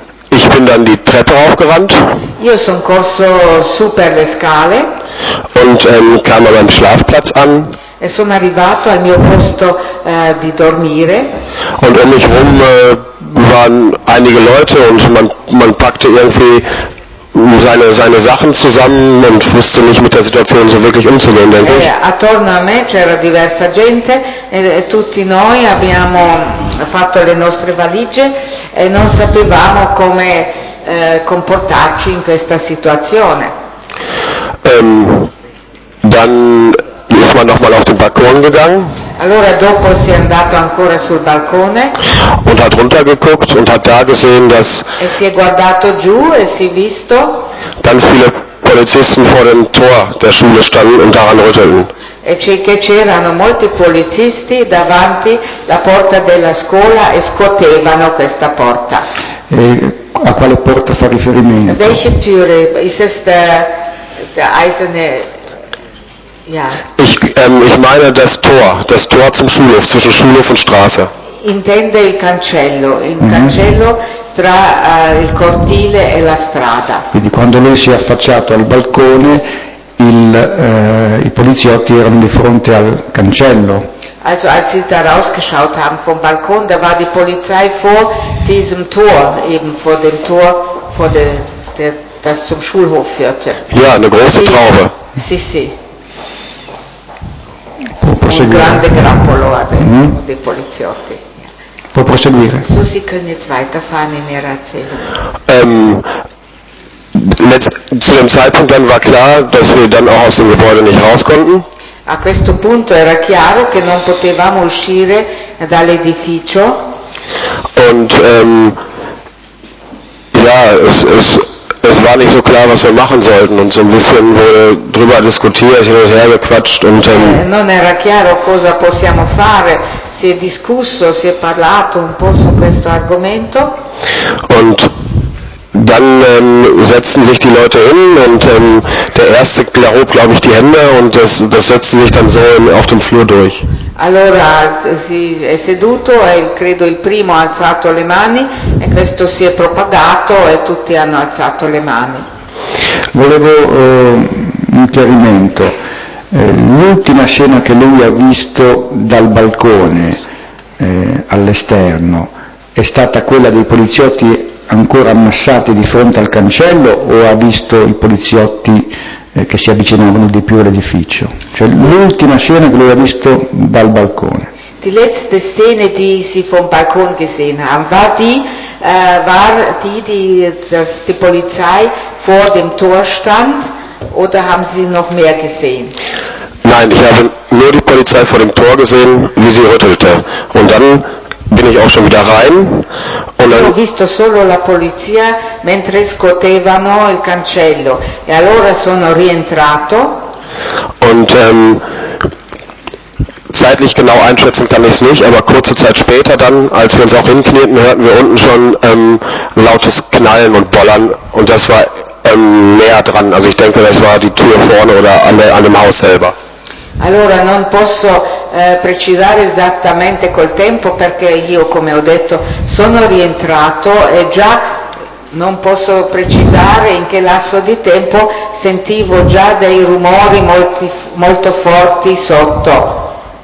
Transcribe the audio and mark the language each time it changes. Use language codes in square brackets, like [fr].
[de] Ich bin dann die Treppe aufgerannt. [it] Io sono corso su per le scale. [de] Und kam an meinem Schlafplatz an. [it] E sono arrivato al mio posto di dormire. [de] Und um mich rum waren einige Leute und man packte irgendwie seine Sachen zusammen und wusste nicht mit der Situation so wirklich umzugehen, denke ich. [it] Attorno a me c'era diversa gente e tutti noi abbiamo fatto le nostre valigie e non sapevamo come comportarci in questa situazione. [de] Dann ist man nochmal auf den Balkon gegangen. [it] Allora dopo si è andato ancora sul balcone. [de] Und hat runtergeguckt und hat da gesehen, dass [it] e si è guardato giù e si è visto [de] ganz viele Polizisten vor dem Tor der Schule standen und daran rüttelten. [it] E che c'erano molti polizisti davanti la porta della scuola e scuotevano questa porta. E a quale porta fa riferimento? [de] Welche Tür ist es, der eisene? Ja. Ich meine das Tor zum Schulhof, zwischen Schulhof und Straße. [it] Intende il cancello tra il cortile e la strada. Quindi quando lui si è affacciato al balcone, i poliziotti erano di fronte al cancello. [de] Also als sie da rausgeschaut haben vom Balkon, da war die Polizei vor diesem Tor, eben vor dem Tor, das zum Schulhof führte. Ja, eine große Traube. [it] Sì, sì. Un grande grappolo dei poliziotti. Può proseguire. [de] So, sie können jetzt weiterfahren in ihrer Erzählung. Zu dem Zeitpunkt dann war klar, dass wir dann auch aus dem Gebäude nicht raus konnten. [it] A questo punto era chiaro che non potevamo uscire dall'edificio. [de] Und es war nicht so klar, was wir machen sollten, und so ein bisschen wurde drüber diskutiert, hin und her gequatscht und [it] non era chiaro cosa possiamo fare. Si è discusso, si è parlato un po' su questo argomento. [de] Und dann setzten sich die Leute hin und der erste hob, glaube ich, die Hände und das setzte sich dann so auf dem Flur durch. [it] Allora si è seduto e credo il primo ha alzato le mani e questo si è propagato e tutti hanno alzato le mani. Volevo un chiarimento. L'ultima scena che lui ha visto dal balcone all'esterno è stata quella dei poliziotti ancora ammassati di fronte al cancello o ha visto i poliziotti che si avvicinavano di più all'edificio? Cioè l'ultima scena che lui ha visto dal balcone. [de] Die letzte Szene, die sie vom Balkon gesehen haben, war die, dass die Polizei vor dem Tor stand, oder haben sie noch mehr gesehen? Nein, ich habe nur die Polizei vor dem Tor gesehen, wie sie rüttelte. Und dann bin ich auch schon wieder rein. [it] Ho visto solo la polizia mentre scuotevano il cancello e allora sono rientrato. [de] Und zeitlich genau einschätzen kann ich es nicht, aber kurze Zeit später dann, als wir uns auch hinknieten, hörten wir unten schon lautes Knallen und Bollern und das war näher dran. Also ich denke, das war die Tür vorne oder an dem Haus selber. [it] Allora non posso precisare esattamente col tempo perché io, come ho detto, sono rientrato e già non posso precisare in che lasso di tempo sentivo già dei rumori molti, molto forti sotto.